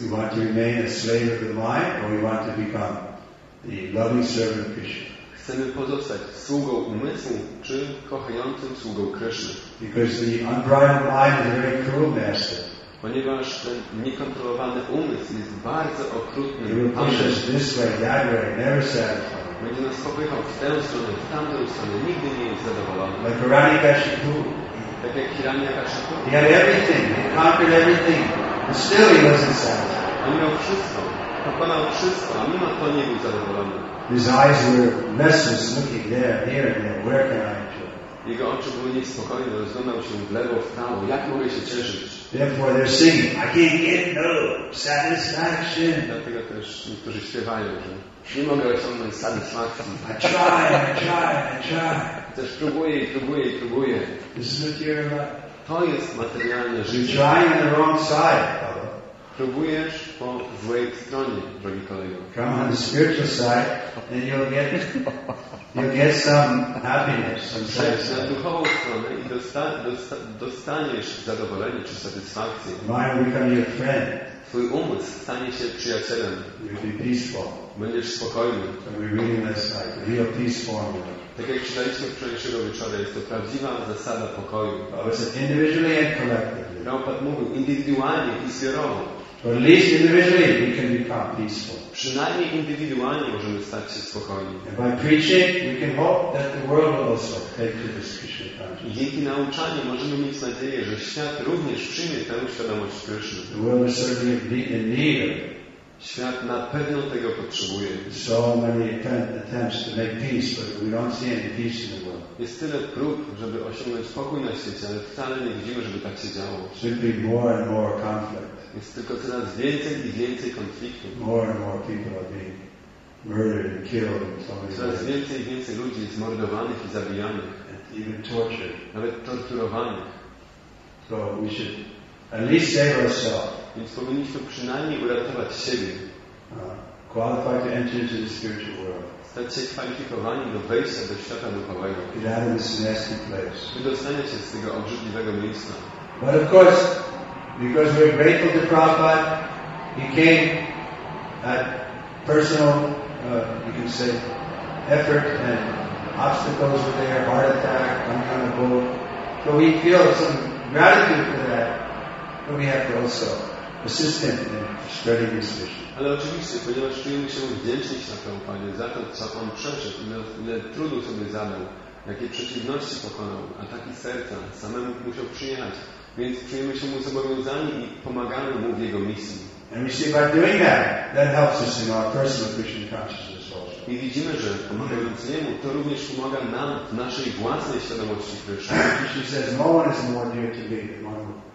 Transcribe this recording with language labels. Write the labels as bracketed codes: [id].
[en] We want to remain a slave of the mind, or we want to become the loving servant of Krishna. [pl] Chcemy pozostać sługą umysłu, czy kochającym sługą Krishna. [en] Because the unbridled mind is a very cruel master. [pl] Ponieważ ten niekontrolowany umysł jest bardzo okrutny. [en] He will push us this way, that way, never satisfied. [pl] Będzie nas popychał w tę stronę, w tamtą stronę, nigdy nie jest zadowolony. [en] Like Rani Kashipu. [pl] Tak jak Hiranya Kashipu. [en] He had everything, he conquered everything, but still he wasn't satisfied. [pl] On miał wszystko, pokonał wszystko, a mimo to nie był zadowolony. [en] His eyes were restless, looking there, here, and there. Where can I enjoy? [pl] Jego oczy były niespokojne, rozglądał się w lewo, w prawo. Jak mogę się cieszyć? [en] Therefore they're singing, I can't get no satisfaction. [pl] Dlatego też niektórzy śpiewają, że nie mogę osiągnąć satysfakcji. [en] I try. [pl] Też próbuję. [en] This is material. [pl] To jest materialne życie. [en] You're trying on the wrong side, [pl] próbujesz po złej stronie, drogi kolego. [en] Come on the spiritual side, and you'll get some happiness, some satisfaction. [pl] Na duchową stronę i dostaniesz zadowolenie czy satysfakcję. [en] Mind will become your friend. [pl] Twój umysł stanie się przyjacielem. [en] You'll be peaceful. [pl] Będziesz spokojny. [en] And we really must have real peace for you. [pl] Tak jak czytaliśmy wczorajszego wieczora, jest to prawdziwa zasada pokoju. [en] Individually and collectively. [pl] Prabhupada mówił indywidualnie i zbiorowo. [en] But at least individually we can become peaceful. [pl] Przynajmniej indywidualnie możemy stać się spokojni. [en] And by preaching, we can hope that the world will also take to this Krishna consciousness. [pl] I dzięki nauczaniu możemy mieć nadzieję, że świat również przyjmie tę świadomość Krishna. [en] The world is certainly in need of it. [pl] Świat na pewno tego potrzebuje. [en] So many attempts to make peace, but we don't see any peace in the world. [pl] Jest tyle prób, żeby osiągnąć pokój na świecie, ale wcale nie widzimy, żeby tak się działo. [en] Simply more and more conflict. [pl] Jest tylko coraz więcej i więcej konfliktów. [en] More and more people are being murdered and killed in so many. [pl] Coraz więcej i więcej ludzi jest mordowanych i zabijanych. [en] And even tortured. [pl] Nawet torturowanych. [en] So we should at least save ourselves. [pl] Więc powinniśmy przynajmniej uratować siebie. [en] Qualified to enter into the spiritual world. [pl] Stać się kwalifikowani do wejścia do świata duchowego. [en] Get out of this nasty place. [pl] Wydostanie się z tego obrzydliwego miejsca. [en] But of course, because we're grateful to Prabhupada, he came at personal, you can say, effort and obstacles were there, heart attack, one kind of bullet. So we feel some gratitude for that, but we have to also assist him in spreading his mission. [pl] Ale oczywiście, ponieważ czujemy się wdzięczni na Prabhupadzie za to, co on przeszedł, ile trudu sobie zadał, jakie przeciwności pokonał, ataki serca, samemu musiał przyjechać, więc czujemy się mu zobowiązani i pomagamy mu w jego misji. [en] And we see by doing that, that helps us in our personal Christian consciousness also. [pl] I widzimy, że pomagając jemu, to również pomaga nam w naszej własnej świadomości Krishna. [en] She says, no one is more dear to me than one.